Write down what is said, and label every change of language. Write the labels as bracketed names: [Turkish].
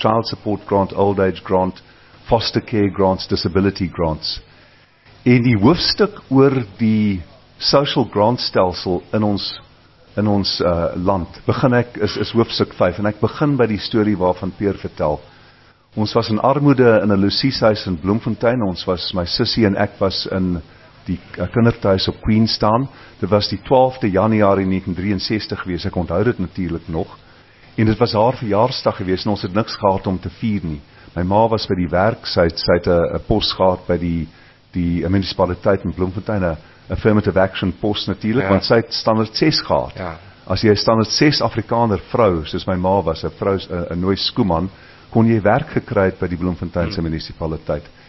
[English] Child support grant, old age grant, foster care grants, disability grants. [Afrikaans] En die hoofstuk oor die [English] social grant [Afrikaans] stelsel in ons land begin ek is hoofstuk 5 en ek begin by die storie waarvan Peer vertel. Ons was in armoede in 'n Lucieshuis in Bloemfontein. Ons was, my sussie en ek was in die kindertuis op Queenstown. Dit was die 12de januari 1963 gewees. Ek onthou dit natuurlik nog. En dit was haar verjaarsdag gewees en ons het niks gehad om te vier nie. My ma was by die werk. Sy het 'n pos gehad by die munisipaliteit in Bloemfontein. 'n affirmative action pos natuurlik, want sy het standaard 6 gehad. Ja. As jy standaard 6 Afrikaner vrou, soos my ma was, 'n vrou, 'n Nooi Skooman, kon jy werk gekry het by die Bloemfonteinse munisipaliteit.